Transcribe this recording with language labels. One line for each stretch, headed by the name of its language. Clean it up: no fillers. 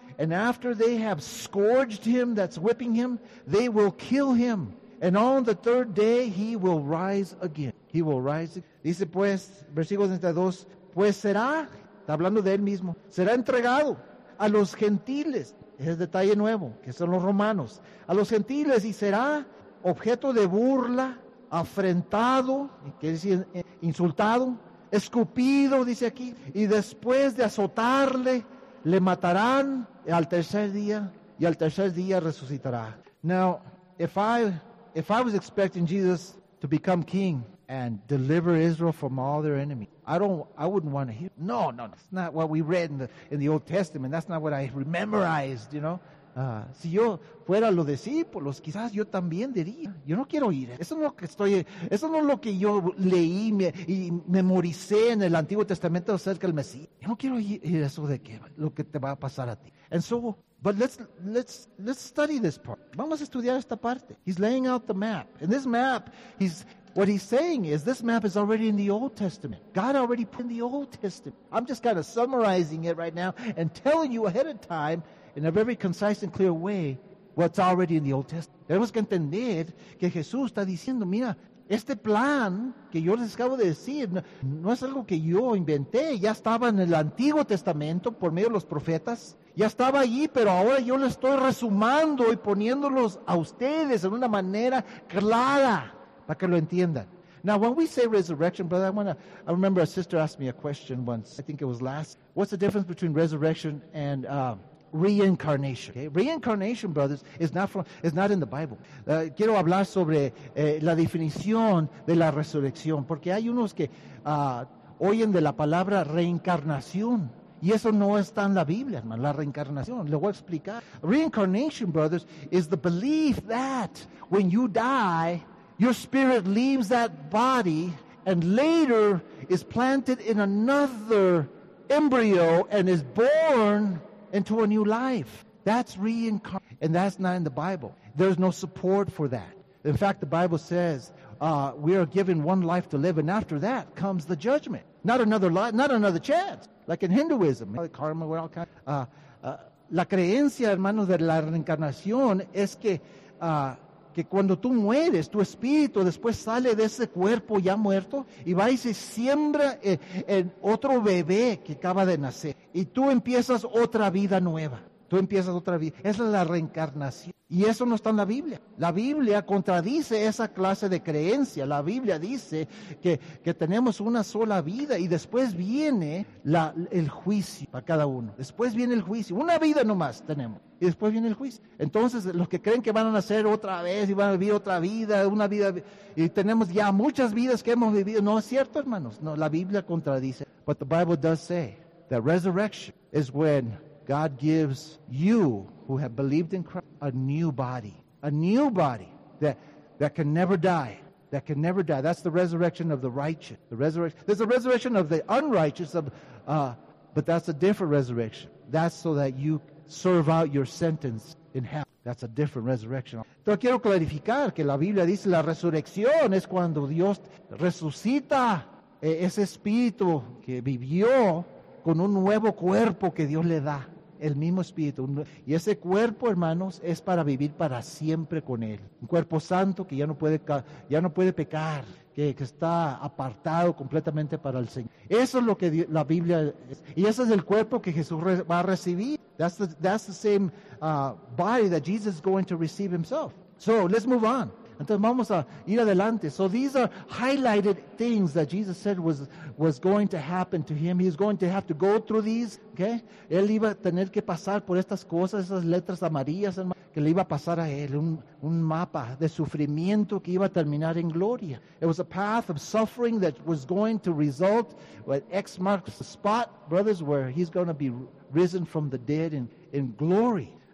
English: And after they have scourged Him, that's whipping Him, they will kill Him. And on the third day, He will rise again. He will rise again.
Spanish: Dice pues, versículo 32, pues será, está hablando de Él mismo, será entregado a los gentiles. Es el detalle nuevo, que son los romanos. A los gentiles y será objeto de burla, afrentado, quiere decir insultado, escupido, dice aquí, y después de azotarle, le matarán al tercer día, y al tercer día resucitará.
English: Now, if I was expecting Jesus to become king and deliver Israel from all their enemies, I wouldn't want to hear. No, that's not what we read in the Old Testament. That's not what I memorized, you know.
Spanish: Si yo fuera los discípulos, quizás yo también diría, yo no quiero ir. Eso no es lo que yo leí y memoricé en el Antiguo Testamento acerca del Mesías. Yo no quiero ir eso de que lo que te va a pasar a ti.
English: And so, but let's study this part.
Spanish: Vamos a estudiar esta parte.
English: He's laying out the map. And this map, what he's saying is, this map is already in the Old Testament. God already put in the Old Testament. I'm just kind of summarizing it right now and telling you ahead of time, in a very concise and clear way, what's already in the Old Testament.
Spanish: Tenemos que entender que Jesús está diciendo, mira, Este plan que yo les acabo de decir no es algo que yo inventé. Ya estaba en el Antiguo Testamento por medio de los profetas. Ya estaba allí, pero ahora yo lo estoy resumando y poniéndolos a ustedes en una manera clara para que lo entiendan.
English: Now, when we say resurrection, brother, I remember a sister asked me a question once. I think it was last. What's the difference between resurrection and reincarnation? Okay? Reincarnation, brothers, is not in the Bible.
Spanish: Quiero hablar sobre la definición de la resurrección, porque hay unos que oyen de la palabra reencarnación. Y eso no está en la Biblia, hermano, la reencarnación. Le voy a explicar.
English: Reincarnation, brothers, is the belief that when you die, your spirit leaves that body and later is planted in another embryo and is born into a new life. That's reincarnation. And that's not in the Bible. There's no support for that. In fact, the Bible says we are given one life to live, and after that comes the judgment. Not another life, not another chance. Like in Hinduism, karma, we're all kind of,
Spanish: la creencia, hermano, de la reencarnación es que cuando tú mueres, tu espíritu después sale de ese cuerpo ya muerto y va y se siembra en otro bebé que acaba de nacer. Y tú empiezas otra vida nueva. Tú empiezas otra vida. Esa es la reencarnación. Y eso no está en la Biblia. La Biblia contradice esa clase de creencia. La Biblia dice que tenemos una sola vida y después viene el juicio para cada uno. Después viene el juicio. Una vida nomás tenemos y después viene el juicio. Entonces, los que creen que van a nacer otra vez y van a vivir otra vida, una vida, y tenemos ya muchas vidas que hemos vivido. No es cierto, hermanos. No, la Biblia contradice.
English: But the Bible does say that resurrection is when God gives you who have believed in Christ a new body that can never die, that can never die. That's the resurrection of the righteous. There's a resurrection of the unrighteous, but that's a different resurrection. That's so that you serve out your sentence in hell. That's a different resurrection.
Spanish: Entonces quiero clarificar que la Biblia dice la resurrección es cuando Dios resucita ese espíritu que vivió con un nuevo cuerpo que Dios le da. El mismo espíritu. Y ese cuerpo, hermanos, es para vivir para siempre con Él. Un cuerpo santo que ya no puede pecar, que está apartado completamente para el Señor. Eso es lo que la Biblia es. Y ese es el cuerpo que Jesús va a recibir.
English: That's the same body that Jesus is going to receive himself. So, let's move on.
Spanish: Entonces, vamos a ir adelante.
English: So, these are highlighted things that Jesus said was going to happen to him. He's going to have to go through these. Okay?
Spanish: Él iba a tener que pasar por estas cosas, esas letras amarillas, que le iba a pasar a él. Un mapa de sufrimiento que iba a terminar en gloria.
English: It was a path of suffering that was going to result with X marks the spot, brothers, where he's going to be risen from the dead in glory.